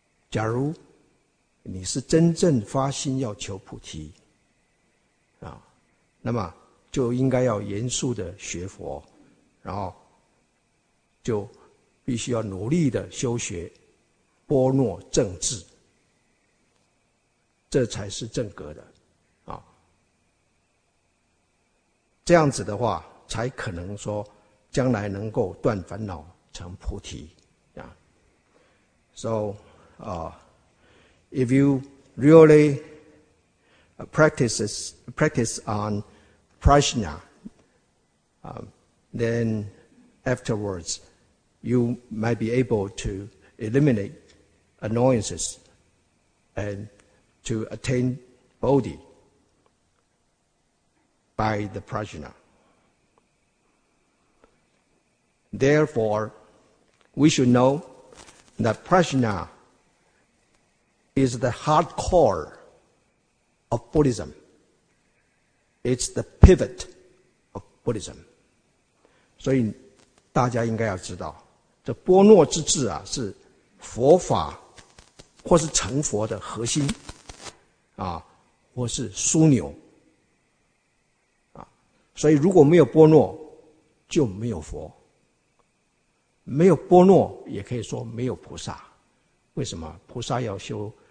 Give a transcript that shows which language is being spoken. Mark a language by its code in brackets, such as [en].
[zh] 假如你是真正发心要求菩提啊，那么就应该要严肃的学佛，然后就必须要努力的修学波若正智，这才是正格的。这样子的话才可能说将来能够断烦恼成菩提。 [en] So if you really practice on prajna, then afterwards you might be able to eliminate annoyances and to attain Bodhi by the prajna. Therefore, we should know that prajna is the hardcore of Buddhism. It's the pivot of Buddhism. [zh] 所以大家应该要知道，这波若之智啊，是佛法或是成佛的核心啊，或是枢纽。所以如果没有波若就没有佛，没有波若也可以说没有菩萨。为什么？菩萨要修